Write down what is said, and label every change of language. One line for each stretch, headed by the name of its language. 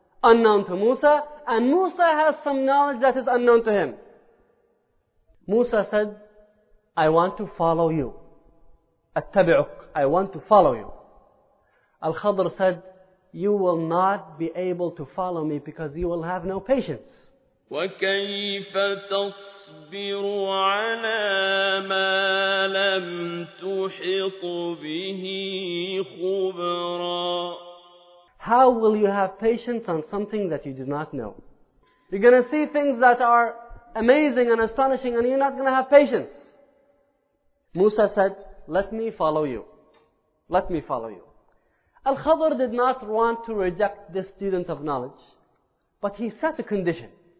English: unknown to Musa, and Musa has some knowledge that is unknown to him. Musa said, I want to follow you.
Arabic: أتبعك.
English: I want to follow you. Al-Khadr said, you will not be able to follow me because you will have no patience.
Arabic: وكيف تصبر على ما لم تحط به خبرا.
English: How will you have patience on something that you do not know? You're going to see things that are amazing and astonishing and you're not going to have patience. Musa said, let me follow you. Let me follow you. Al-Khadr did not want to reject this student of knowledge, but he set a condition.